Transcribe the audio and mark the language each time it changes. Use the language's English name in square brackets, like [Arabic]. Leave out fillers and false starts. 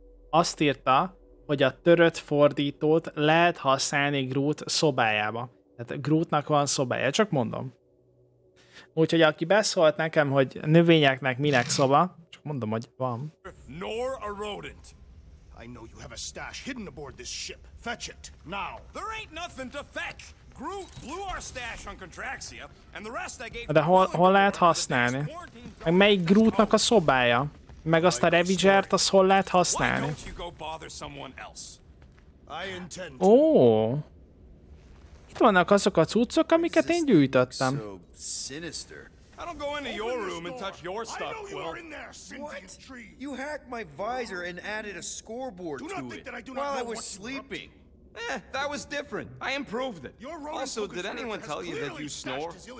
[Hungarian] Azt írta, hogy a törött fordítót lehet használni Groot szobájába. Tehát Grootnak van szobája, csak mondom. Úgyhogy aki beszólt nekem, hogy növényeknek minek szoba, mondom, hogy van. [English] Nor a rodent. I know you have a stash hidden aboard this ship. Fetch it now. There ain't nothing to fetch. Groot blew our stash on Contraxia, and the rest I gave. [Hungarian] De hol lehet használni? Meg melyik Grootnak a szobája? Meg azt a Ravagert, azt hol lehet használni? [English] Why don't you go bother someone else? I intend. Ó. [Hungarian] Itt vannak azok a cuccok, amiket én gyűjtöttem. [English] I don't go into your room and touch your stuff, Quill. What? You hacked my visor and added a scoreboard to it while I was sleeping. Eh, that was different. I improved it. Also, did anyone tell you that you snore?